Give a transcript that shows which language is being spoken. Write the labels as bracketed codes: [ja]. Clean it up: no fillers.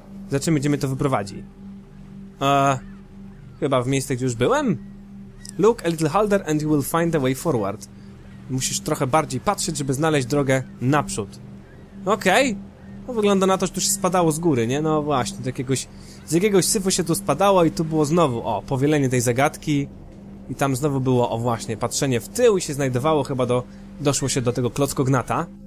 [pl] Za czym będziemy to wyprowadzi? Chyba w miejsce, gdzie już byłem? [en] Look a little harder and you will find the way forward. [pl] Musisz trochę bardziej patrzeć, żeby znaleźć drogę naprzód. Okej. Okay. No, wygląda na to, że tu się spadało z góry, nie? No właśnie, z jakiegoś syfu się tu spadało i tu było znowu, o, powielenie tej zagadki. I tam znowu było, o właśnie, patrzenie w tył i się znajdowało chyba doszło się do tego klockognata.